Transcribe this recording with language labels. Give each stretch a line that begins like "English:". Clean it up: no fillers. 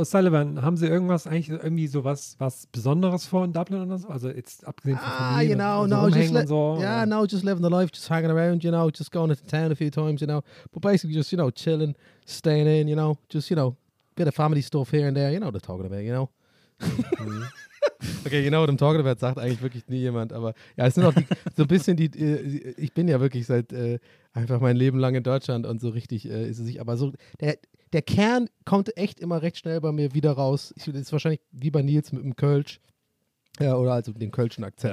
German: O'Sullivan, haben Sie irgendwas eigentlich irgendwie sowas was Besonderes vor in Dublin oder so? Also jetzt abgesehen von Familie,
English: you know, so no,
German: rumhängen
English: just so. Yeah, no, just living the life, just hanging around, you know, just going into town a few times, you know. But basically just, you know, chilling, staying in, you know, just, you know, bit of family stuff here and there, you know what I'm talking about, you know. Okay, you know what I'm talking about,
German: sagt eigentlich wirklich nie jemand, aber ja, es sind auch so ein bisschen die, ich bin ja wirklich seit einfach mein Leben lang in Deutschland und so richtig ist es sich, aber so, der Kern kommt echt immer recht schnell bei mir wieder raus. Das ist wahrscheinlich wie bei Nils mit dem Kölsch. Ja, oder also mit dem kölschen Akzent.